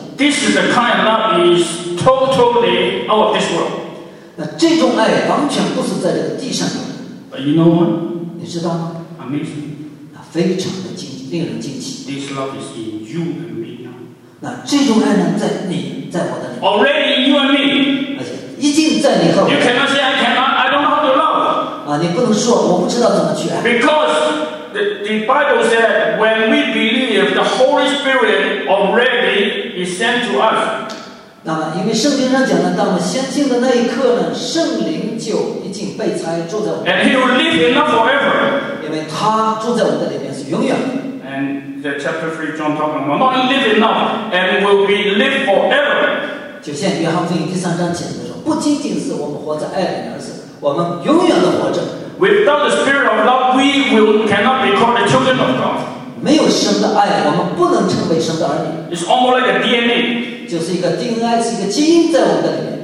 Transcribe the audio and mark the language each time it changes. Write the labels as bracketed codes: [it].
[en] this is the kind of love is totally out of this world. [zh] 这种爱完全不是在这个地上有的。 [en] But you know what? [zh] 你知道吗 [en] ？Amazing， [zh] 那非常的令人惊奇。 [en] This love is in you and me now。 [zh] 那这种爱呢，在你，在我的里面。 [en] Already in you and me。 [zh] 而且已经在你和我。 [en] You cannot say I cannot. I don't know how to love。 [zh] 你不能说我不知道怎么去爱。 [en] Because the Bible said when we believe the Holy Spirit already is sent to us。 [zh] 那么，因为圣经上讲的，当我们相信的那一刻呢，圣灵就已经被差住在我们。 [en] And he will live in us forever. [zh] 因为他住在我们的里面是永远的。 [en] And the chapter 3 John talks about not live in us and will be live forever. [zh] 就像约翰福音第三章讲的说，不仅仅是我们活在爱里面，而是我们永远的活着。 [en] Without the Spirit of love, we will cannot be called the children of God. [zh] 没有神的爱，我们不能成为神的儿女。 [en] It's almost like a DNA. [zh] 就是一个 DNA， 是一个基因在我们的里面。